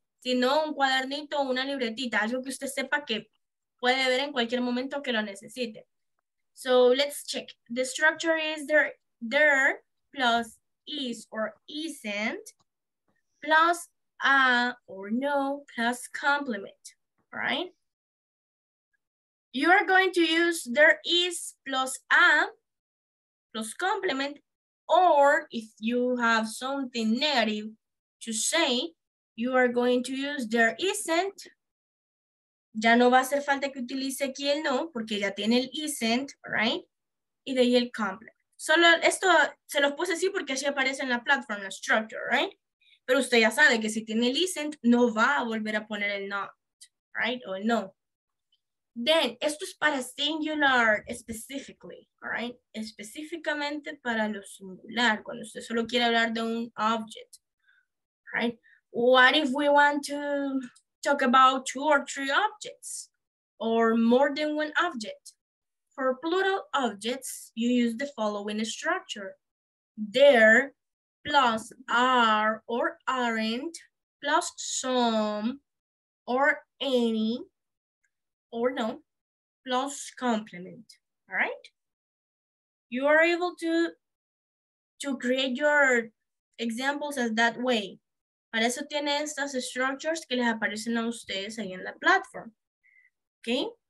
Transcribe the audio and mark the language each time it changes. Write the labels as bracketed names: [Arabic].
[Spanish] Si no, un cuadernito o una libretita, algo que usted sepa que puede ver en cualquier momento que lo necesite. [English] So let's check. The structure is there plus is or isn't plus a or no plus complement, right? You are going to use there is plus a plus complement, or if you have something negative to say, you are going to use there isn't. [Spanish] Ya no va a hacer falta que utilice aquí el no, porque ya tiene el isn't, right? Y de ahí el complement. Solo esto se los puse así porque así aparece en la platform, la structure, right? Pero usted ya sabe que si tiene el isn't, no va a volver a poner el not, right? O el no. Then, esto es para singular, specifically, right? Específicamente para lo singular, cuando usted solo quiere hablar de un object, right? [English] What if we want to talk about two or three objects or more than one object? For plural objects, you use the following structure. There plus are or aren't plus some or any or no plus complement, all right? You are able to create your examples as that way. [Spanish] Para eso tiene estas structures que les aparecen a ustedes ahí en la platform, okay?